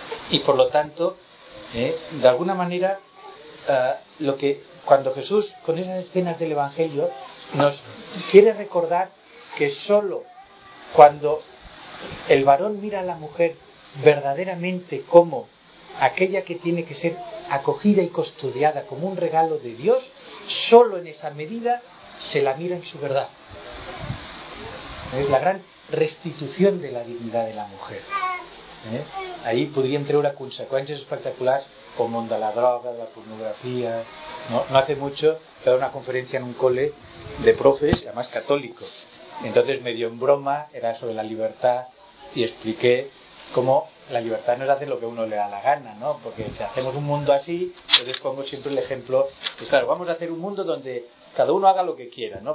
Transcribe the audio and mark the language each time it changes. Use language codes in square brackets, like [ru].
[es] Y por lo tanto, de alguna manera, lo que cuando Jesús, con esas escenas del Evangelio, nos quiere recordar que solo cuando el varón mira a la mujer verdaderamente como aquella que tiene que ser acogida y custodiada como un regalo de Dios, solo en esa medida se la mira en su verdad. Es la gran restitución de la dignidad de la mujer. Ahí podrían [ca] treure conseqüències espectaculars com el món de la droga, de la pornografia. [es] No hace mucho he dado una conferència en un cole de profes, además católico. Entonces medio en broma, era sobre la libertad, y expliqué cómo la libertad no es hacer lo que uno le da la gana, ¿no? Porque si hacemos un mundo así, entonces pongo siempre el ejemplo, pues claro, vamos a hacer un mundo donde cada uno haga lo que quiera, ¿no?